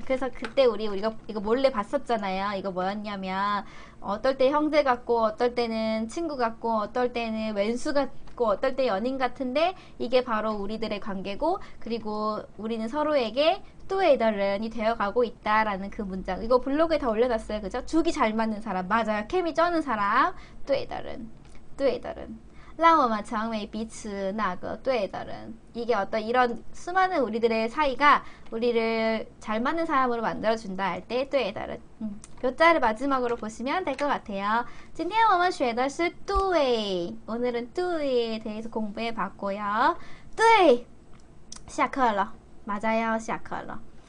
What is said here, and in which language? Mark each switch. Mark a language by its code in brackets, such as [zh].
[ko] 그래서 그때 우리 이거 몰래 봤었잖아요. 이거 뭐였냐면 어떨 때 형제 같고 어떨 때는 친구 같고 어떨 때는 왼수 같고 어떨 때 연인 같은데 이게 바로 우리들의 관계고 그리고 우리는 서로에게 또의 다른이 되어가고 있다라는 그 문장. 이거 블로그에 다 올려놨어요. 그죠? 죽이 잘 맞는 사람. 맞아요. 케미 쩌는 사람. 또의 다른. 또의 다른. [zh] 让我们成为彼此那个对的人. [ko] 이게 어떤 이런 수많은 우리들의 사이가 우리를 잘 맞는 사람으로 만들어준다 할 때, [zh] 对的人. [ko] 묘자를 마지막으로 보시면 될것 같아요. [zh] 今天我们学的是对. [ko] 오늘은 对에 대해서 공부해 봤고요. [zh] 对!下课了. [ko] 맞아요. [zh] 下课了.